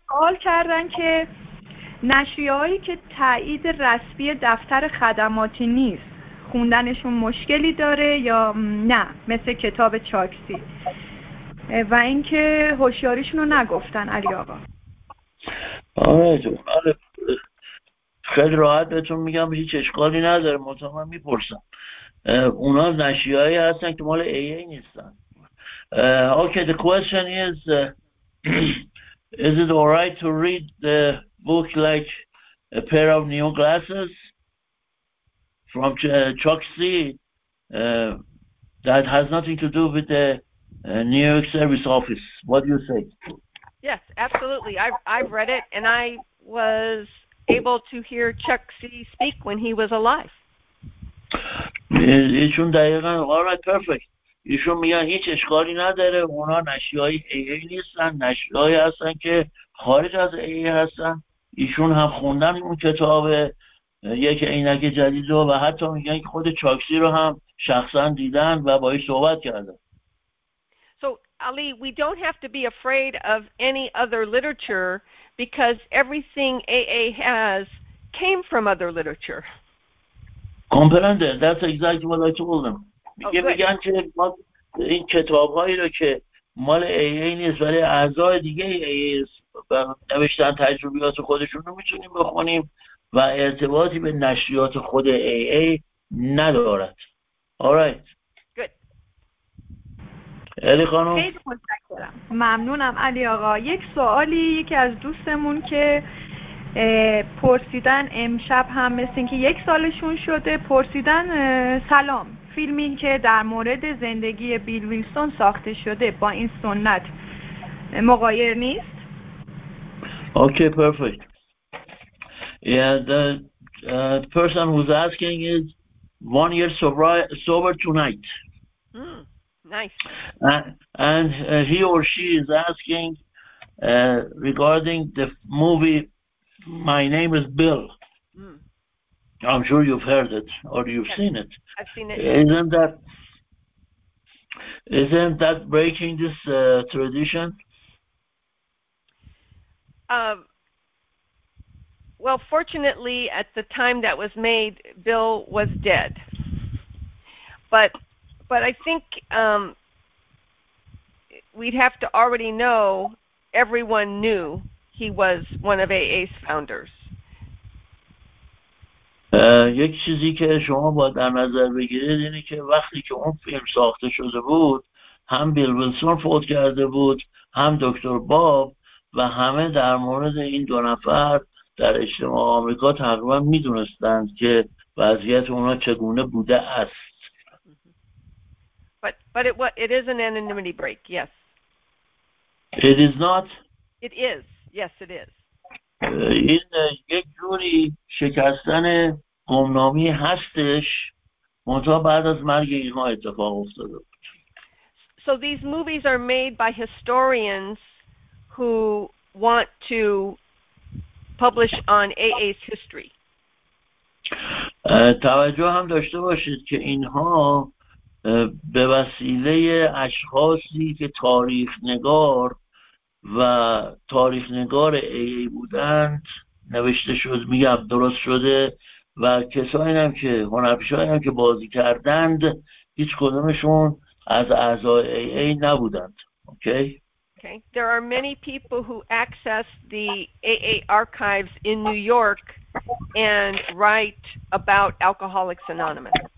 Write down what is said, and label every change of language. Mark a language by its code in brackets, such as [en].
[fa] سوال کردن که نشریه‌هایی که تایید رسمی دفتر خدماتی نیست خوندنشون مشکلی داره یا نه مثل کتاب چاکسی، و اینکه هوشیاریشون رو نگفتن علی آقا. آره خیلی راحت بهتون میگم هیچ اشکالی نداره، مطمئن میپرسم. اونا نشریه‌هایی هستن که مال AA نیستن. [en] Okay, the question is, is it all right to read the book like a pair of new glasses from Choksi that has nothing to do with the New York Service Office? What do you say? Yes, absolutely. I've read it, and I was able to hear Choksi speak when he was alive. All right, perfect. [fa] ایشون میگن هیچ اشکالی نداره، اونا نشریه های AA نیستن، نشریه های هستن که خارج از AA هستن. ایشون هم خوندن اون کتاب یک عینک جدید رو و حتی میگن خود چاکسی رو هم شخصا دیدن و با ایش صحبت کردن. [en] So Ali, we don't have to be afraid of any other literature because everything AA has came from other literature. Comprende, that's exactly what I told them. [fa] میگه میگن که ما این کتاب‌هایی رو که مال AA نیست ولی اعضای دیگه AA نوشتن تجربیات خودشون رو میتونیم بخونیم و ارتباطی به نشریات خود AA ندارد. Alright. Good. علی خانم. ممنونم علی آقا. یک سوالی یکی از دوستمون که پرسیدن امشب هم مثل اینکه یک سالشون شده پرسیدن سلام، فیلمی که در مورد زندگی بیل ویلسون ساخته شده با این سنت مغایر نیست؟ [en] Okay, perfect. Yeah, the person who's asking is 1 year sober tonight. Nice. And he or she is asking regarding the movie My Name is Bill. I'm sure you've heard it or you've seen it. I've seen it. Isn't that breaking this tradition? Well, fortunately, at the time that was made, Bill was dead. But I think we'd have to already know, everyone knew he was one of AA's founders. [fa] یک چیزی که شما باید در نظر بگیرید اینه که وقتی که اون فیلم ساخته شده بود هم بیل ویلسون فوت کرده بود، هم دکتر باب، و همه در مورد این دو نفر در اجتماع آمریکا تقریبا میدونستند که وضعیت اونا چگونه بوده است. [en] But it is an anonymity break, yes. It is not? It is, yes it is. [fa] این یک جوری شکستن گمنامی هستش، منتها بعد از مرگ اینها اتفاق افتاده بود. [en] So these movies are made by historians who want to publish on AA's history. [fa] توجه هم داشته باشید که اینها به وسیله اشخاصی که تاریخ نگار و تاریخ نگار AA بودند نوشته شد، میگم درست شده، و کسایی هم که هنرپیشه‌ای هم که بازی کردند هیچ کدومشون از اعضای AA نبودند. [en] Okay. There are many people who access the AA archives in New York and write about Alcoholics Anonymous.